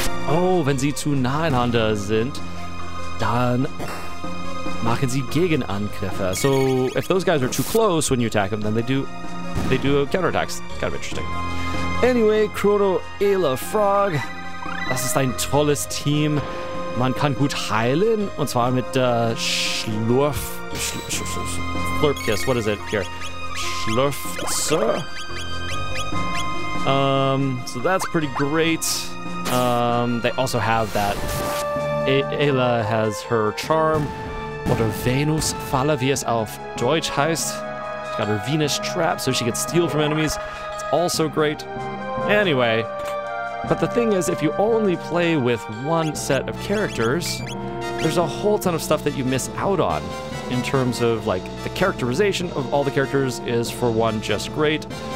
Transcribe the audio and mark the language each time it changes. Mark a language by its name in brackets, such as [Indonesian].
[German] Oh, wenn sie zu nah einander sind, dann machen sie Gegenangriffe. [English] So, if those guys are too close when you attack them, then they do counterattacks. Kind of interesting. Anyway, Chrono, Ayla, Frog. [German] Das ist ein tolles Team. Man kann gut heilen, und zwar mit Slurpkiss. [English] What is it here? Schlurfzer. So that's pretty great. They also have that. Ayla has her charm. [German] Oder Venus Falle, wie es auf Deutsch heißt. [English] She's got her Venus trap so she can steal from enemies. It's also great. Anyway, but the thing is, if you only play with one set of characters, there's a whole ton of stuff that you miss out on in terms of, like, the characterization of all the characters is, for one, just great.